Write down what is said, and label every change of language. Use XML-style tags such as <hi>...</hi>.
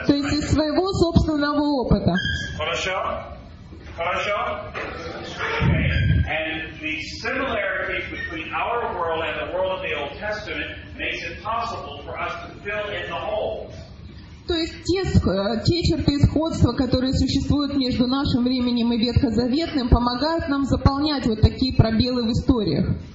<ru>То есть из своего собственного опыта. Хорошо? Хорошо? Okay.</ru> <en>And the similarity between our world and the world of the Old Testament makes it possible for us to fill in the holes.</en> <ru>То есть те черты сходства, которые существуют между нашим временем и Ветхозаветным, помогают нам заполнять вот такие пробелы в историях.</ru>